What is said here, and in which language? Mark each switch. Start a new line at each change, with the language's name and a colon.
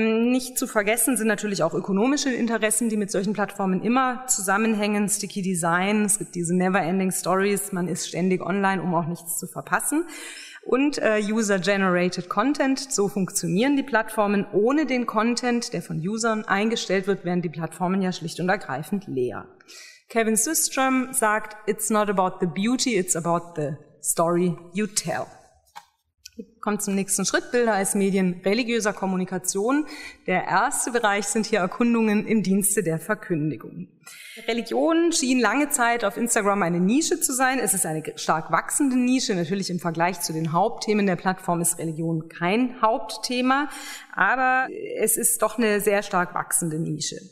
German: Nicht zu vergessen sind natürlich auch ökonomische Interessen, die mit solchen Plattformen immer zusammenhängen. Sticky Design, es gibt diese Never-Ending Stories, man ist ständig online, um auch nichts zu verpassen. Und User-Generated Content, so funktionieren die Plattformen. Ohne den Content, der von Usern eingestellt wird, werden die Plattformen ja schlicht und ergreifend leer.
English: Kevin Systrom
German: sagt,
English: it's not about the beauty, it's about the story you tell.
German: Kommt zum nächsten Schritt, Bilder als Medien religiöser Kommunikation. Der erste Bereich sind hier Erkundungen im Dienste der Verkündigung. Religion schien lange Zeit auf Instagram eine Nische zu sein. Es ist eine stark wachsende Nische. Natürlich im Vergleich zu den Hauptthemen der Plattform ist Religion kein Hauptthema, aber es ist doch eine sehr stark wachsende Nische.